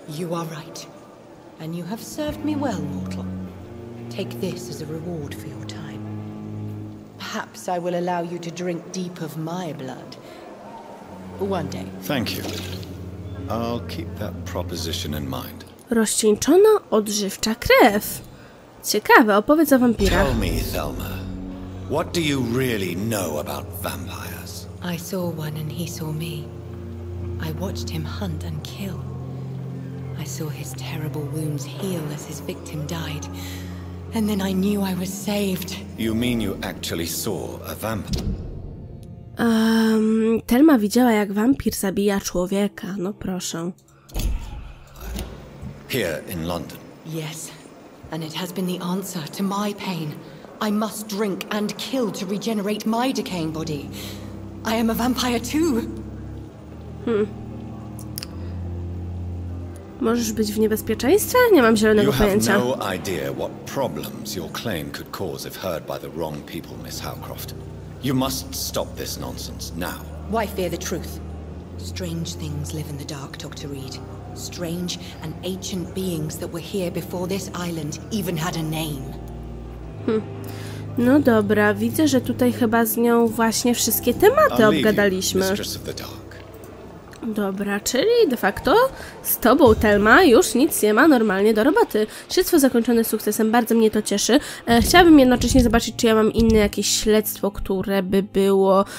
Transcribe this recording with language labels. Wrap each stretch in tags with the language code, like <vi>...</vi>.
<en>You are right. And you have served me well, mortal. Take this as a reward for your time. Perhaps I will allow you to drink deep of my blood. One day. Thank you. I'll keep that proposition in mind.</en> <pl>Rozcieńczona odżywcza krew. Ciekawe, opowiedz o wampirach.</pl> <en>Tell me, Thelma. What do you really know about vampires? I saw one and he saw me. I watched him hunt and kill. I saw his terrible wounds heal as his victim died. And then I knew I was saved. You mean you actually saw a vampire?</en> <pl>Telma widziała, jak wampir zabija człowieka. No proszę.</pl> <en>Here in London. Yes. And it has been the answer to my pain. I must drink and kill to regenerate my decaying body. I am a vampire too.</en> <pl>Możesz być w niebezpieczeństwie? Nie mam zielonego</pl> <en>you</en> <pl>pojęcia.</pl> <en>You have no idea what problems your claim could cause if heard by the wrong people, Miss Howcroft. You must stop this nonsense now. Why fear the truth? Strange things live in the dark, Dr. Reed. Strange and ancient beings that were here before this island even had a name.</en> <pl>No dobra, widzę, że tutaj chyba z nią właśnie wszystkie tematy obgadaliśmy.</pl> <en>Mistress of the dark.</en> <pl>Dobra, czyli de facto z tobą, Thelma, już nic nie ma normalnie do roboty. Śledztwo zakończone sukcesem, bardzo mnie to cieszy. Chciałabym jednocześnie zobaczyć, czy ja mam inne jakieś śledztwo, które by było.</pl>